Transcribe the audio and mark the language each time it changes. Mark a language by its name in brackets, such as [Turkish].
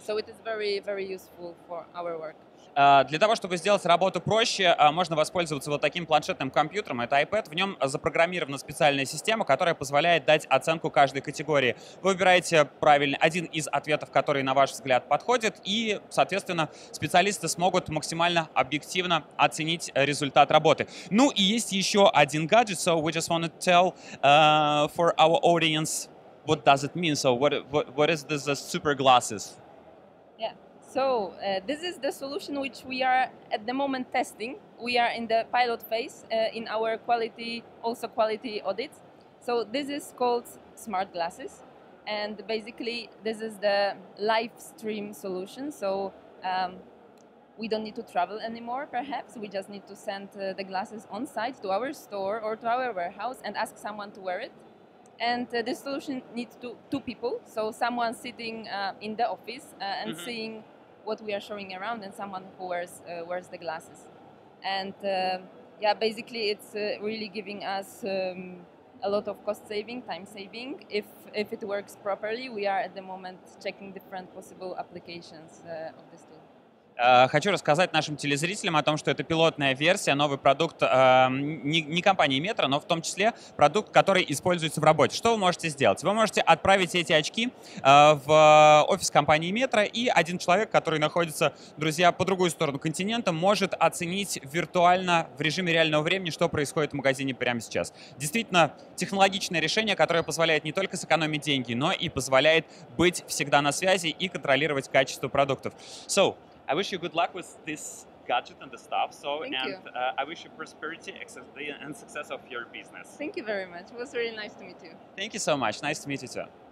[English] So it is very, very useful for our work. [Russian] Для того, чтобы сделать работу проще, можно воспользоваться вот таким планшетным компьютером. Это iPad. В нем запрограммирована специальная система, которая позволяет дать оценку каждой категории. Вы выбираете правильный один из ответов, который, на ваш взгляд, подходит, и, соответственно, специалисты смогут максимально объективно оценить результат работы. Ну и есть еще один гаджет, [English] so we just want to tell for our audience. What does it mean? So what is this super glasses? Yeah, so this is the solution which we are at the moment testing. We are in the pilot phase in our quality audits. So this is called smart glasses. And basically this is the live stream solution. So we don't need to travel anymore, perhaps. We just need to send the glasses on site to our store or to our warehouse and ask someone to wear it. And the solution needs two people, so someone sitting in the office and mm-hmm. seeing what we are showing around, and someone who wears the glasses. And basically, it's really giving us a lot of cost saving, time saving. If it works properly, we are at the moment checking different possible applications of this tool. [Russian] Хочу рассказать нашим телезрителям о том, что это пилотная версия, новый продукт не компании Metro, но в том числе продукт, который используется в работе. Что вы можете сделать? Вы можете отправить эти очки в офис компании Metro, и один человек, который находится, друзья, по другую сторону континента, может оценить виртуально, в режиме реального времени, что происходит в магазине прямо сейчас. Действительно, технологичное решение, которое позволяет не только сэкономить деньги, но и позволяет быть всегда на связи и контролировать качество продуктов. [English] So, I wish you good luck with this gadget and the stuff. So, Thank you. I wish you prosperity and success of your business. Thank you very much. It was really nice to meet you. Thank you so much. Nice to meet you too.